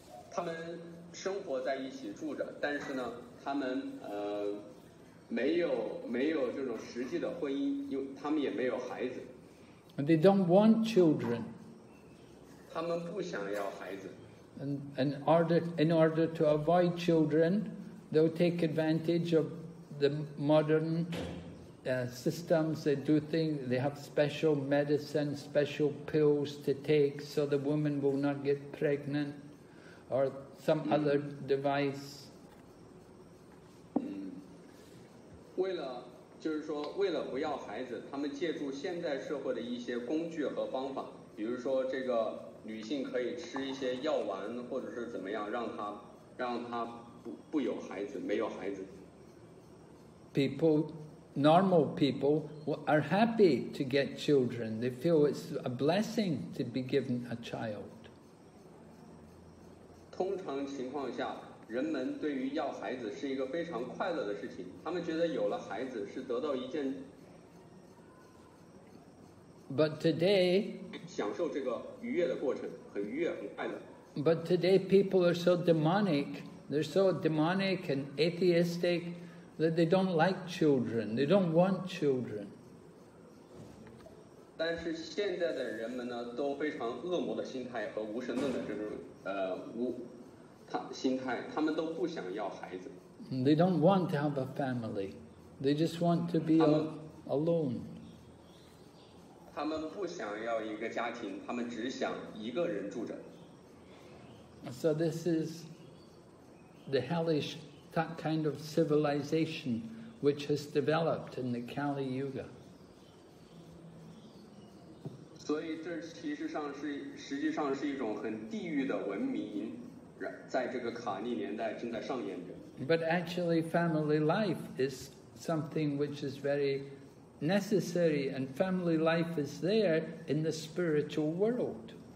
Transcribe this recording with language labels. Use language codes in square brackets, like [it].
[zh] 他们生活在一起住着，但是呢，他们没有这种实际的婚姻，因为他们也没有孩子。 [en] And they don't want children. [zh] 他们不想要孩子。 [en] And in order to avoid children, they'll take advantage of the modern systems. They do things, they have special medicine, special pills to take so the woman will not get pregnant or some other device. [zh] 为了，就是说，为了不要孩子，他们借助现在社会的一些工具和方法，比如说这个女性可以吃一些药丸，或者是怎么样，让她不有孩子，没有孩子。 [en] People, normal people are happy to get children. They feel it's a blessing to be given a child. [zh] 通常情况下。人们对于要孩子是一个非常快乐的事情，他们觉得有了孩子是得到一件 [en] ，But today [zh] 享受这个愉悦的过程，很愉悦，很快乐。 [en] But today people are so demonic, they're so demonic and atheistic that they don't like children, they don't want children. [zh] 但是现在的人们呢，都非常恶魔的心态和无神论的这种心态，他们都不想要孩子。 [en] They don't want to have a family. They just want to be alone. [zh] 他们不想要一个家庭，他们只想一个人住着。 [en] So this is the hellish kind of civilization which has developed in the Kali Yuga. But actually, family life is something which is very necessary, and family life is there in the spiritual world.